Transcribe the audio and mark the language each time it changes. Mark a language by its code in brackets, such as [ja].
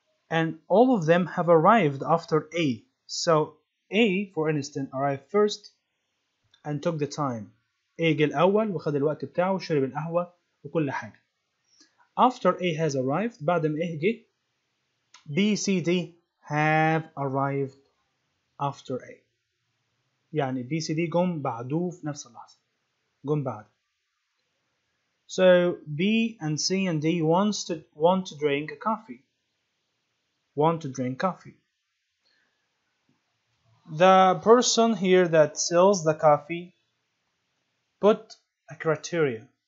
[en] And all of them have arrived after A. So A, for instance, arrived first and took the time. [ar] A جه الأول وخد الوقت بتاعه وشرب القهوة وكل حاجة. [en] After A has arrived, [ar] بعد ما A جه, [en] B, C, D have arrived after A. [ar] يعني B, C, D جم بعده في نفس اللحظة. جم بعد. [en] So B and C and D want to drink a coffee. Want to drink coffee. The person here that sells the coffee put a criteria.